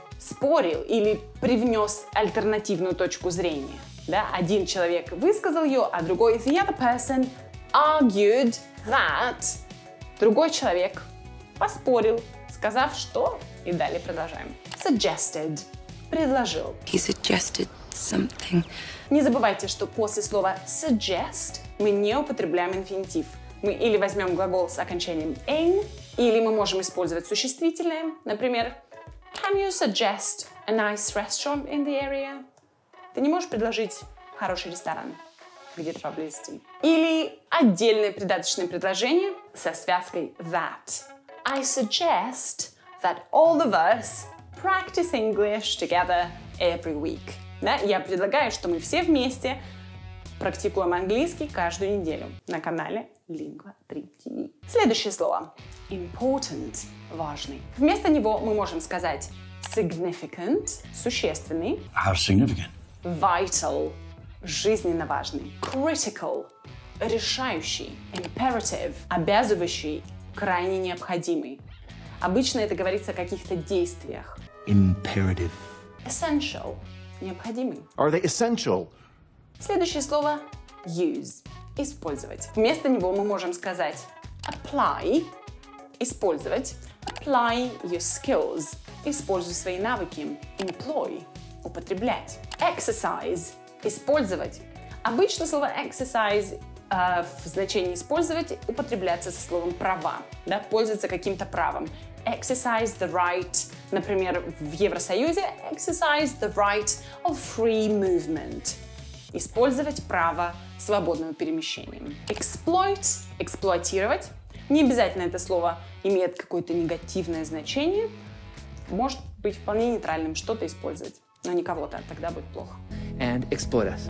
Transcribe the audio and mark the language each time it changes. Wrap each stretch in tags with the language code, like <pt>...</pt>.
<ru>Спорил или привнес альтернативную точку зрения. Да, один человек высказал ее, а другой</ru> <en>the other person argued that.</en> <ru>Другой человек поспорил, сказав что. И далее продолжаем. Suggested. Предложил.</ru> <en>He suggested something.</en> <ru>Не забывайте, что после слова suggest мы не употребляем инфинитив. Мы или возьмем глагол с окончанием ing, или мы можем использовать существительное.</ru> <en>Например, can you suggest a nice restaurant in the area?</en> <ru>Ты не можешь предложить хороший ресторан? где-то поблизости. Или отдельное придаточное предложение со связкой that.</ru> <en>I suggest that all of us practice English together every week.</en> <ru>Да? Я предлагаю, что мы все вместе практикуем английский каждую неделю на канале Lingua 3TV. Следующее слово. Important – важный. Вместо него мы можем сказать significant – существенный.</ru> <en>How significant?</en> <ru>Vital – жизненно важный. Critical – решающий. Imperative – обязывающий, крайне необходимый. Обычно это говорится о каких-то действиях.</ru> <en>Imperative.</en> <ru>Essential – необходимый.</ru> <en>Are they essential?</en> <ru>Следующее слово – use – использовать. Вместо него мы можем сказать apply – использовать.</ru> <en>Apply your skills –</en> <ru>используй свои навыки. Employ – употреблять. Exercise – использовать. Обычно слово exercise в значении использовать употребляется со словом права, да, пользоваться каким-то правом.</ru> <en>Exercise the right,</en> <ru>например, в Евросоюзе,</ru> <en>exercise the right of free movement.</en> <ru>Использовать право свободного перемещения. Exploit, эксплуатировать. Не обязательно это слово имеет какое-то негативное значение. Может быть вполне нейтральным что-то использовать, но не кого-то, тогда будет плохо.</ru> <en>And exploit us.</en>